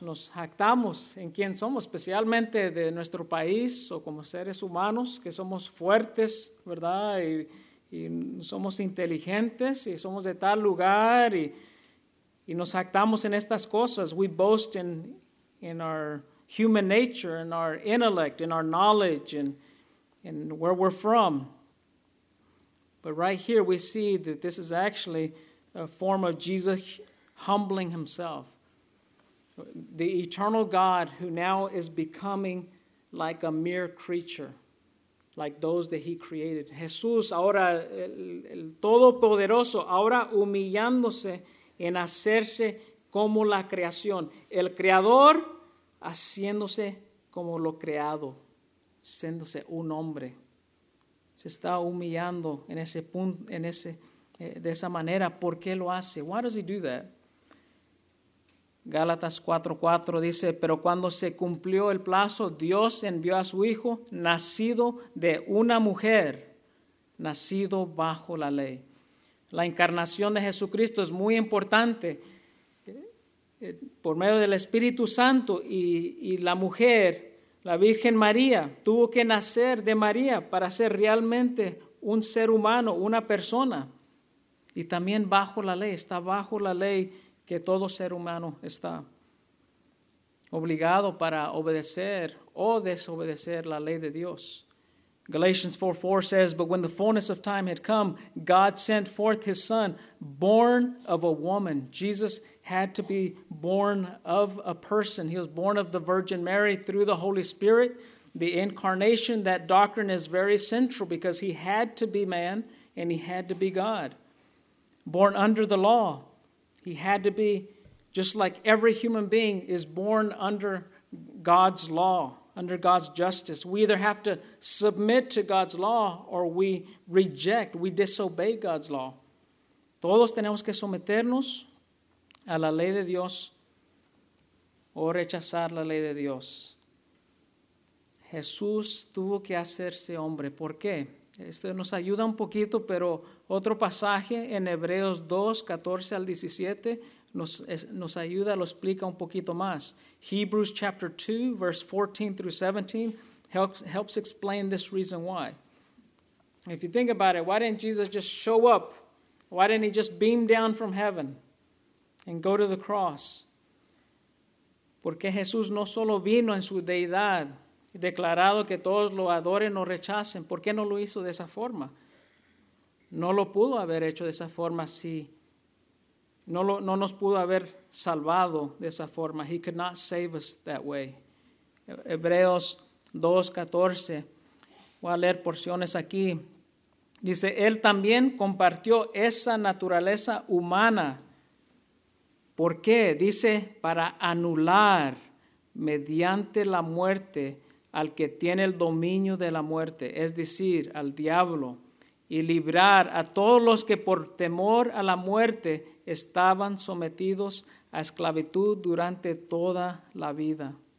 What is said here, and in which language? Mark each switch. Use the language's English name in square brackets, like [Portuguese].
[Spanish] Nos jactamos en quién somos, especialmente de nuestro país o como seres humanos, que somos fuertes, ¿verdad? Y somos inteligentes y somos de tal lugar y nos jactamos en estas cosas. [English] We boast in our human nature, in our intellect, in our knowledge, in where we're from. But right here we see that this is actually a form of Jesus humbling himself. The eternal God who now is becoming like a mere creature, like those that he created. [Spanish] Jesús, ahora el Todopoderoso, ahora humillándose en hacerse como la creación. El Creador haciéndose como lo creado, siéndose un hombre. Se está humillando en ese punto, en ese de esa manera. ¿Por qué lo hace? [English] Why does he do that? [Spanish] Gálatas 4:4 dice, pero cuando se cumplió el plazo, Dios envió a su hijo, nacido de una mujer, nacido bajo la ley. La encarnación de Jesucristo es muy importante por medio del Espíritu Santo y la mujer, la Virgen María, tuvo que nacer de María para ser realmente un ser humano, una persona. Y también bajo la ley, está bajo la ley que todo ser humano está obligado para obedecer o desobedecer la ley de Dios. [English] Galatians 4:4 says, but when the fullness of time had come, God sent forth his son, born of a woman. Jesus had to be born of a person. He was born of the Virgin Mary through the Holy Spirit. The incarnation, that doctrine is very central because he had to be man and he had to be God. Born under the law, he had to be, just like every human being is born under God's law, under God's justice. We either have to submit to God's law or we reject, we disobey God's law. [Spanish] Todos tenemos que someternos a la ley de Dios o rechazar la ley de Dios. Jesús tuvo que hacerse hombre. ¿Por qué? Esto nos ayuda un poquito, pero otro pasaje en Hebreos 2, 14 al 17 nos ayuda, lo explica un poquito más. [English] Hebrews chapter 2, verse 14 through 17 helps explain this reason why. If you think about it, why didn't Jesus just show up Why didn't he just beam down from heaven and go to the cross? [Spanish] Porque Jesús no solo vino en su deidad, declarado que todos lo adoren o rechacen. ¿Por qué no lo hizo de esa forma? No lo pudo haber hecho de esa forma si no nos pudo haber salvado de esa forma. [English] He could not save us that way. [Spanish] Hebreos 2:14. Voy a leer porciones aquí. Dice, él también compartió esa naturaleza humana. ¿Por qué? Dice, para anular mediante la muerte al que tiene el dominio de la muerte, es decir, al diablo, y librar a todos los que por temor a la muerte estaban sometidos a esclavitud durante toda la vida.